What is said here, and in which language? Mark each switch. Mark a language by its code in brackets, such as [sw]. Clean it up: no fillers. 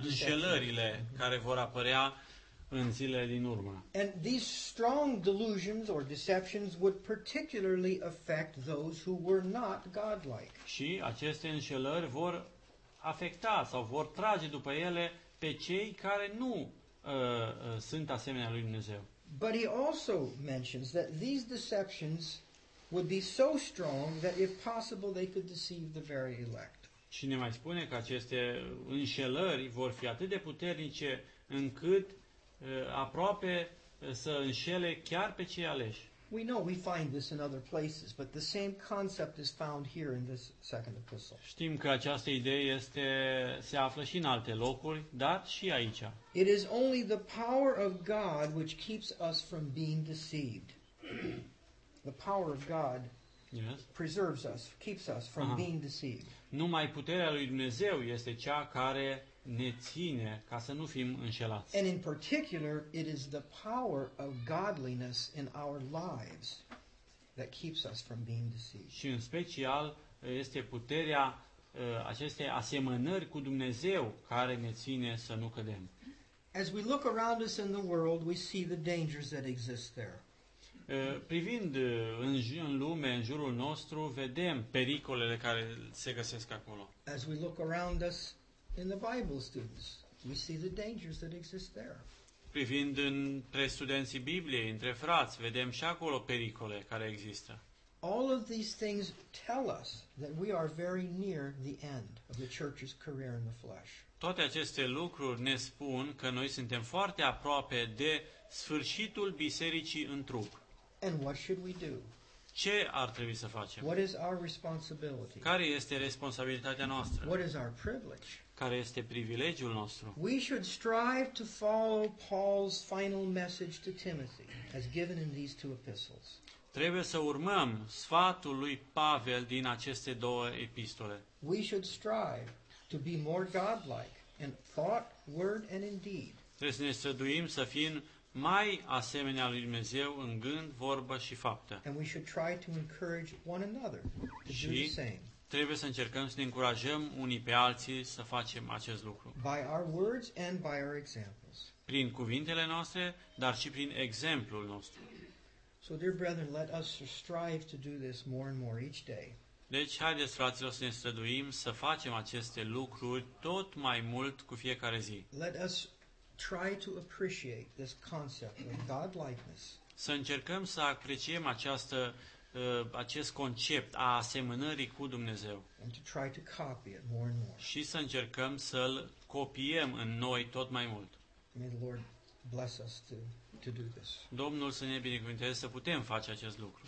[ro] Înșelările care vor apărea în zilele din urmă. [en] And these strong delusions or deceptions would particularly affect those who were not godlike. [ro] Și aceste înșelări vor afecta sau vor trage după ele pe cei care nu sunt asemenea lui Dumnezeu. [en] But he also mentions that these deceptions would be so strong that if possible they could deceive the very elect. [ro] Și ne mai spune că aceste înșelări vor fi atât de puternice încât aproape să înșele chiar pe cei aleși. [en] We know we find this in other places, but the same concept is found here in this second epistle. [ro] Știm că această idee este se află și în alte locuri, dar și aici. [en] It is only the power of God which keeps us from being deceived. The power of God preserves us, keeps us from being deceived. [ro] Numai puterea lui Dumnezeu este cea care ne ține ca să nu fim înșelați. [en] And in particular, it is the power of godliness in our lives that keeps us from being deceived. [ro] Și în special este puterea acestei asemănări cu Dumnezeu care ne ține să nu cădem. [en] As we look around us in the world, we see the dangers that exist there. [ro] privind în lume, în jurul nostru, vedem pericolele care se găsesc acolo. [en] As we look around us in the Bible students, we see the dangers that exist there. [ro] Privind între studenții Bibliei, între frați, vedem și acolo pericole care există. [en] All of these things tell us that we are very near the end of the church's career in the flesh. [ro] Toate aceste lucruri ne spun că noi suntem foarte aproape de sfârșitul bisericii în trup. [en] And what should we do? [ro] Ce ar trebui să facem? [en] What is our responsibility? [ro] Care este responsabilitatea noastră? [en] What is our privilege? [ro] Care este privilegiul nostru? [en] We should strive to follow Paul's final message to Timothy as given in these two epistles. [ro] Trebuie să urmăm sfatul lui Pavel din aceste două epistole. [en] We should strive to be more godlike in thought, word and in deed. [ro] Trebuie să ne străduim să fim mai asemenea lui Dumnezeu în gând, vorbă și faptă. [en] And we should try to encourage one another to do the same. [ro] Trebuie să încercăm să ne încurajăm unii pe alții să facem acest lucru. [en] By our words and by our examples. [ro] Prin cuvintele noastre, dar și prin exemplul nostru. [en] So dear brethren, let us strive to do this more and more each day. [ro] Deci haideți fraților să ne străduim să facem aceste lucruri tot mai mult cu fiecare zi. [en] Let us try to appreciate this concept of godlikeness. [ro] Să încercăm să apreciem această acest concept a asemănării cu Dumnezeu. [en] And to try to copy it more and more. [ro] Și să încercăm să-l copiem în noi tot mai mult. [en] May the Lord bless us to do this. [ro] Domnul să ne binecuvânteze să putem face acest lucru.